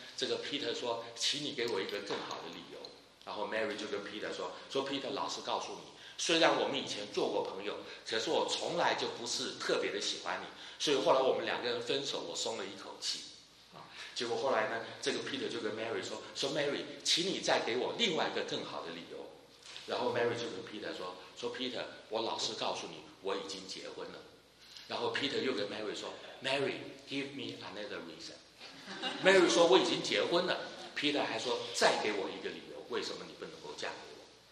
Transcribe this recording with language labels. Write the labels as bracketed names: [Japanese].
[Chinese] 这个 Peter 说请你给我一个更好的理由。然后 Mary 就跟 Peter 说 Peter 老实告诉你，虽然我们以前做过朋友，可是我从来就不是特别的喜欢你，所以后来我们两个人分手我松了一口气结果后来呢这个 Peter 就跟 Mary 说 Mary 请你再给我另外一个更好的理由。然后 Mary 就跟 Peter 说 Peter 我老实告诉你我已经结婚了。然后 Peter 又跟 Mary 说 Mary [English] give me another reason。 [Chinese] Mary 说我已经结婚了， Peter 还说再给我一个理由为什么你不能够嫁给我。